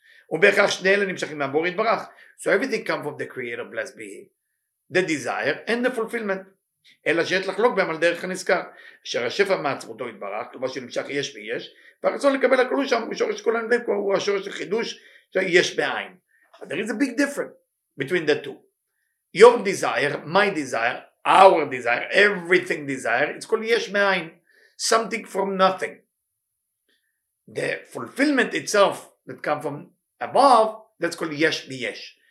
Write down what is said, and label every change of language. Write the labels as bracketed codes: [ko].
[he] ובכך שני אלה נמשכים מהבור יתברך. [en] So everything comes from the creator, blessed be he. The desire and the fulfillment. [he] אלא שיש לחלוק בהם על דרך הנזכר. שהשפע מעצמותו יתברך, כלומר שנמשך יש ויש, והרצון לקבל הכל הוא שם, הוא שורש כל הנדב, הוא השורש החידוש שיש בעין. [en] But there is a big difference between the two. Your desire, my desire, our desire, everything desire, it's called yesh me'ayin, something from nothing. The fulfillment itself that comes from above, that's called yesh me'yesh.